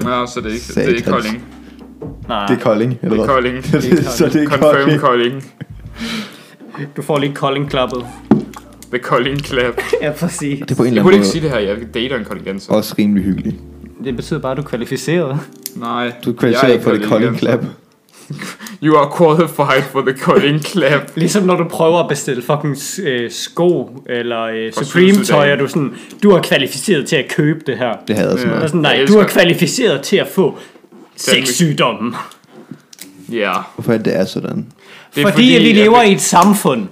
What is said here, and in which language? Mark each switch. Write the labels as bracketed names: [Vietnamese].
[Danish] Nå, så det er ikke, det er ikke calling. Nej. Det er calling, eller det er calling. Så det er [English] calling. Confirm calling. [Danish] Du får lige calling-klappet. [English] The calling clap. [Danish] Ja, præcis. Det er på en eller anden jeg kunne ikke sige det her, jeg dater en kollegenser. Også rimelig hyggeligt. Det betyder bare, at du er kvalificeret. Nej. Du er kvalificeret for [English] the calling clap. You are qualified for the calling clap. [Danish] Ligesom når du prøver at bestille fucking sko eller Supreme tøj, og du sådan, du er kvalificeret til at købe det her. Det havde jeg sådan, ja. Sådan nej, du er kvalificeret til at få sexsygdommen. Ja. Hvorfor er det sådan? Det er fordi vi lever i et samfund.